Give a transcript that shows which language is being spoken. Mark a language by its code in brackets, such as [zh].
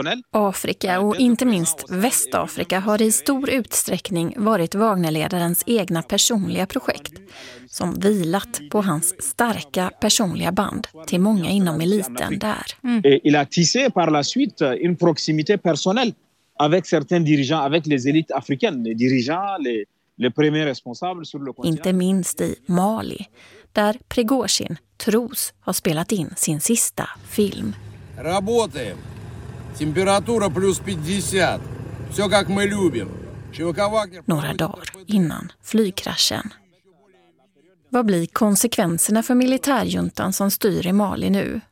[sv] Afrika och inte minst Västafrika har i stor utsträckning varit Wagnerledarens egna personliga projekt som vilat på hans starka personliga band till många inom eliten där. [fr] Il a tissé par la suite une proximité personnelle avec certains dirigeants, avec les élites africaines, les dirigeants, les premiers responsables sur le continent. [sv] Inte minst i Mali, där Prigozjin tros har spelat in sin sista film. [ru] Работаем. Температура плюс 50. Все как мы любим. [sv] Några dagar innan flygkraschen. Vad blir konsekvenserna för militärjuntan som styr i Mali nu?